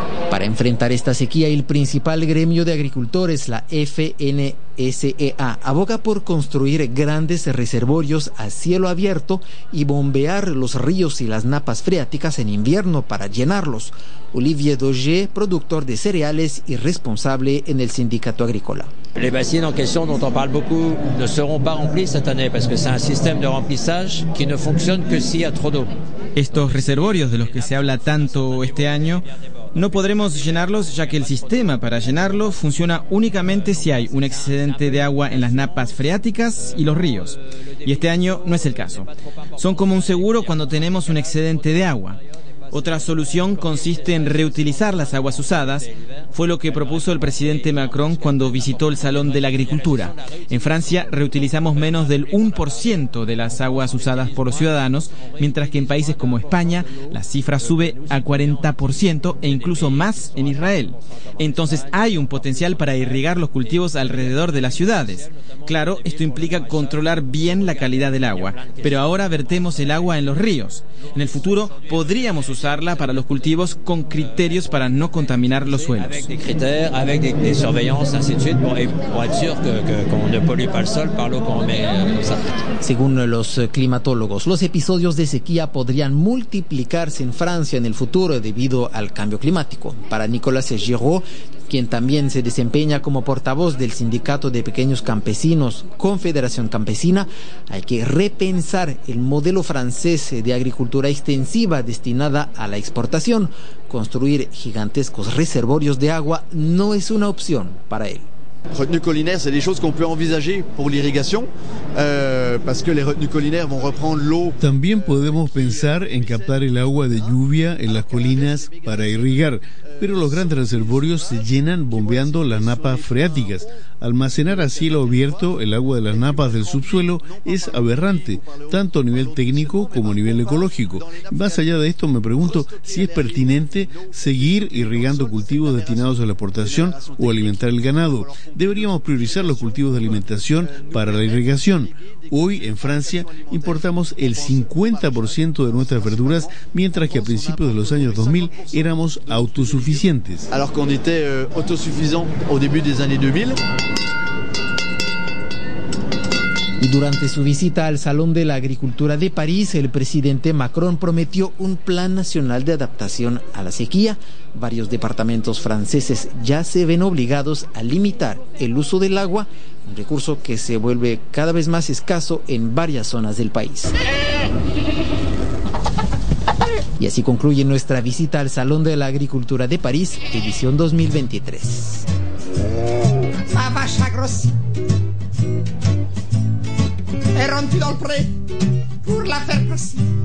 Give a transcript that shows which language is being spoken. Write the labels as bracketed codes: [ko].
[es] Para enfrentar esta sequía, el principal gremio de agricultores, la FNSEA, aboga por construir grandes reservorios a cielo abierto y bombear los ríos y las napas freáticas en invierno para llenarlos. Olivier Daugé, productor de cereales y responsable en el sindicato agrícola. [fr] Les bassines en question dont on parle beaucoup ne seront pas remplies cette année parce que c'est un système de remplissage qui ne fonctionne que s'il y a trop d'eau. [es] Estos reservorios de los que se habla tanto este año no podremos llenarlos ya que el sistema para llenarlo funciona únicamente si hay un excedente de agua en las napas freáticas y los ríos. Y este año no es el caso. Son como un seguro cuando tenemos un excedente de agua. Otra solución consiste en reutilizar las aguas usadas. Fue lo que propuso el presidente Macron cuando visitó el Salón de la Agricultura. En Francia reutilizamos menos del 1% de las aguas usadas por los ciudadanos, mientras que en países como España la cifra sube a 40% e incluso más en Israel. Entonces hay un potencial para irrigar los cultivos alrededor de las ciudades. Claro, esto implica controlar bien la calidad del agua, pero ahora vertemos el agua en los ríos. En el futuro podríamos usarla para los cultivos con criterios para no contaminar los suelos. [fr] Avec des critères, avec des surveillances, ainsi de suite, pour être sûr qu'on ne pollue pas le sol par l'eau qu'on met comme ça. [es] Según los climatólogos, los episodios de sequía podrían multiplicarse en Francia en el futuro debido al cambio climático. Para Nicolas Giraud, quien también se desempeña como portavoz del Sindicato de Pequeños Campesinos, Confederación Campesina, hay que repensar el modelo francés de agricultura extensiva destinada a la exportación. Construir gigantescos reservorios de agua no es una opción para él. [fr] Retenues collinaires, c'est des choses qu'on peut envisager pour l'irrigation, parce que les retenues collinaires vont reprendre l'eau. [es] También podemos pensar en captar el agua de lluvia en las colinas para irrigar, pero los grandes reservorios se llenan bombeando las napas freáticas. Almacenar a cielo abierto el agua de las napas del subsuelo es aberrante, tanto a nivel técnico como a nivel ecológico. Más allá de esto, me pregunto si es pertinente seguir irrigando cultivos destinados a la exportación o alimentar el ganado. Deberíamos priorizar los cultivos de alimentación para la irrigación. Hoy, en Francia, importamos el 50% de nuestras verduras, mientras que a principios de los años 2000 éramos autosuficientes. [fr] Alors qu'on était autosuffisant au début des années 2000. [es] Y durante su visita al Salón de la Agricultura de París, el presidente Macron prometió un plan nacional de adaptación a la sequía. Varios departamentos franceses ya se ven obligados a limitar el uso del agua, un recurso que se vuelve cada vez más escaso en varias zonas del país. Y así concluye nuestra visita al Salón de la Agricultura de París, edición 2023. [fr] Est rendu dans le pré pour la faire passer.